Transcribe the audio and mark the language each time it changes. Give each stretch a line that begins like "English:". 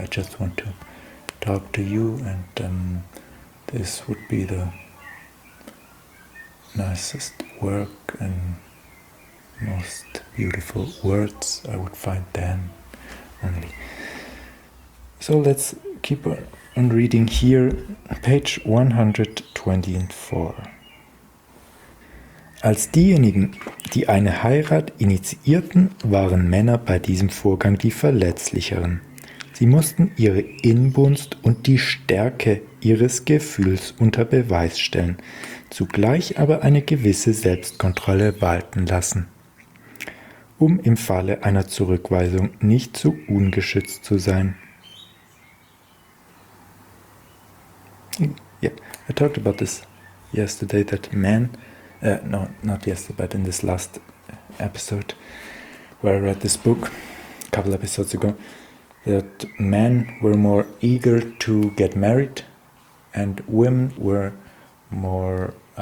English: I just want to talk to you, and this would be the nicest work and most beautiful words I would find then only. So let's keep on reading here, page 124.
German: Als diejenigen, die eine Heirat initiierten, waren Männer bei diesem Vorgang die Verletzlicheren. Sie mussten ihre Inbrunst und die Stärke ihres Gefühls unter Beweis stellen, zugleich aber eine gewisse Selbstkontrolle walten lassen, um im Falle einer Zurückweisung nicht zu ungeschützt zu sein.
English: Yeah, I talked about this yesterday, that men, no, not yesterday, but in this last episode, where I read this book a couple episodes ago, that men were more eager to get married and women were more,